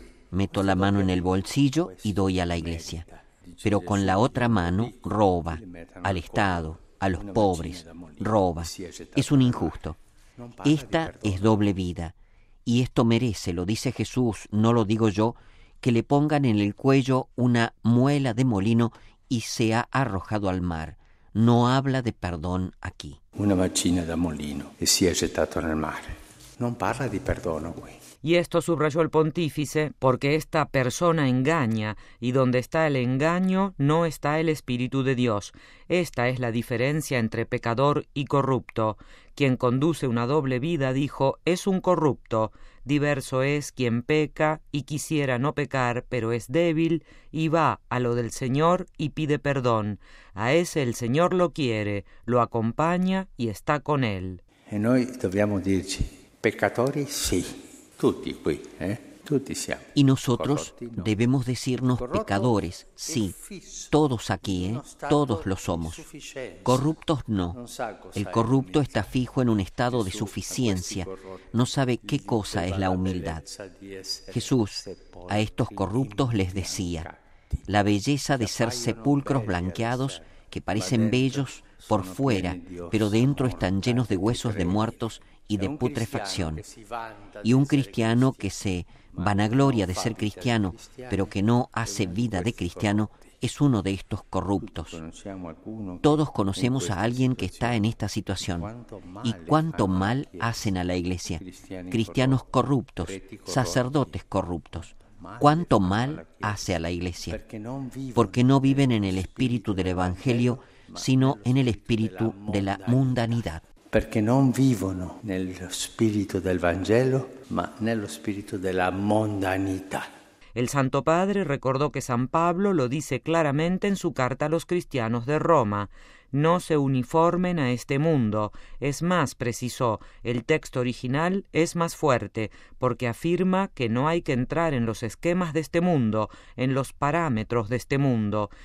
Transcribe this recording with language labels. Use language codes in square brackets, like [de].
[es] Meto la mano en el bolsillo y doy a la Iglesia. Pero con la otra mano roba al Estado, a los pobres, roba. Es un injusto. Esta es doble vida. Y esto merece, lo dice Jesús, no lo digo yo, que le pongan en el cuello una muela de molino y se ha arrojado al mar. No habla de perdón aquí. [it] Una machina da molino e si è gettato nel mare. Non parla di perdono qui. [es] Y esto subrayó el pontífice, porque esta persona engaña, y donde está el engaño, no está el Espíritu de Dios. Esta es la diferencia entre pecador y corrupto. Quien conduce una doble vida, dijo, es un corrupto. Diverso es quien peca y quisiera no pecar, pero es débil, y va a lo del Señor y pide perdón. A ese el Señor lo quiere, lo acompaña y está con él. [it] E noi dobbiamo dirci, peccatori sì. Tutti qui, tutti siamo. [es] Y nosotros debemos decirnos pecadores, sí, todos aquí, todos lo somos. Corruptos no. El corrupto está fijo en un estado de suficiencia, no sabe qué cosa es la humildad. Jesús a estos corruptos les decía, la belleza de ser sepulcros blanqueados que parecen bellos por fuera, pero dentro están llenos de huesos de muertos y de putrefacción. Y un cristiano que se vanagloria de ser cristiano, pero que no hace vida de cristiano, es uno de estos corruptos. Todos conocemos a alguien que está en esta situación. ¿Y cuánto mal hacen a la iglesia? Cristianos corruptos, sacerdotes corruptos. ¿Cuánto mal hace a la iglesia? Porque no viven en el espíritu del Evangelio, sino en el espíritu de la mundanidad. [it] Perché non vivono nello spirito del Vangelo, ma nello spirito della mondanità. [es] El Santo Padre recordó que San Pablo lo dice claramente en su carta a los cristianos de Roma. No se uniformen a este mundo. Es más, precisó, el texto original es más fuerte, porque afirma que no hay que entrar en los esquemas de este mundo, en los parámetros de este mundo.